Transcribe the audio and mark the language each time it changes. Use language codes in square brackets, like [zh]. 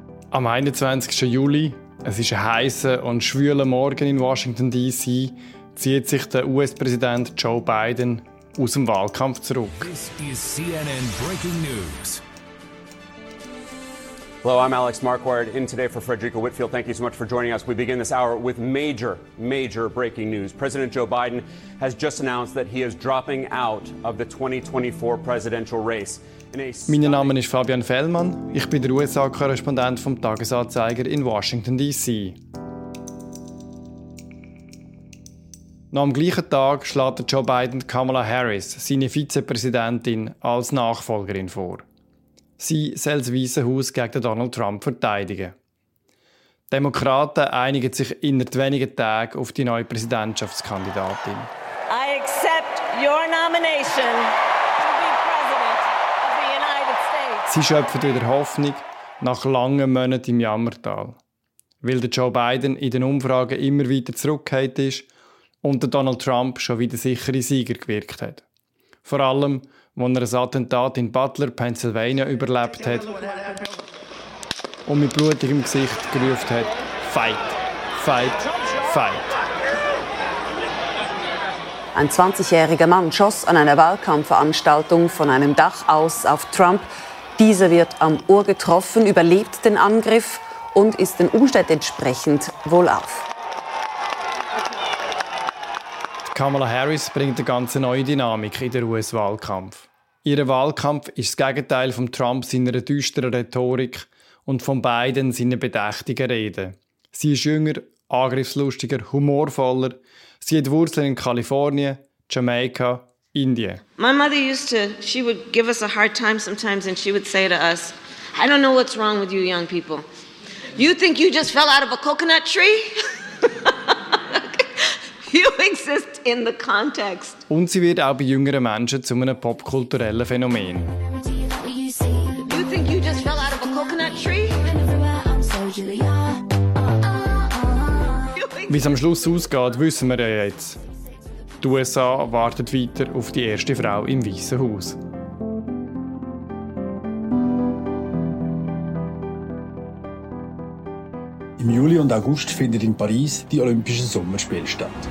[de] Am 21. Juli, es ist ein heisser und schwüler Morgen in Washington D.C., zieht sich der US-Präsident Joe Biden aus dem Wahlkampf zurück. [en] This is CNN Breaking News. Hello, I'm Alex Marquardt, in today for Frederica Whitfield. Thank you so much for joining us. We begin this hour with major, major breaking news. President Joe Biden has just announced that he is dropping out of the 2024 presidential race. [de] Mein Name ist Fabian Fellmann. Ich bin der USA-Korrespondent vom Tagesanzeiger in Washington, D.C. Noch am gleichen Tag schlägt Joe Biden Kamala Harris, seine Vizepräsidentin, als Nachfolgerin vor. Sie soll das Weiße Haus gegen Donald Trump verteidigen. Die Demokraten einigen sich innert wenigen Tagen auf die neue Präsidentschaftskandidatin. [en] I accept your nomination to be President of the United States. [de] Sie schöpfen wieder Hoffnung nach langen Monaten im Jammertal. Weil Joe Biden in den Umfragen immer weiter zurückgeht ist, und Donald Trump schon wieder sichere Sieger gewirkt hat. Vor allem, als er ein Attentat in Butler, Pennsylvania, überlebt hat und mit blutigem Gesicht gerufen hat: [en] Fight, fight, fight. [de] Ein 20-jähriger Mann schoss an einer Wahlkampfveranstaltung von einem Dach aus auf Trump. Dieser wird am Ohr getroffen, überlebt den Angriff und ist den Umständen entsprechend wohlauf. Kamala Harris bringt eine ganz neue Dynamik in den US-Wahlkampf. Ihr Wahlkampf ist das Gegenteil von Trump seiner düsteren Rhetorik und von Biden seiner bedächtigen Rede. Sie ist jünger, angriffslustiger, humorvoller. Sie hat Wurzeln in Kalifornien, Jamaika, Indien. [en] My mother used to, she would give us a hard time sometimes and she would say to us, I don't know what's wrong with you young people. You think you just fell out of a coconut tree? You exist in the context. [de] Und sie wird auch bei jüngeren Menschen zu einem popkulturellen Phänomen. [en] You think you just fell out of a coconut tree? [de] Wie es am Schluss ausgeht, wissen wir ja jetzt. Die USA wartet weiter auf die erste Frau im Weißen Haus. Im Juli und August findet in Paris die Olympischen Sommerspiele statt.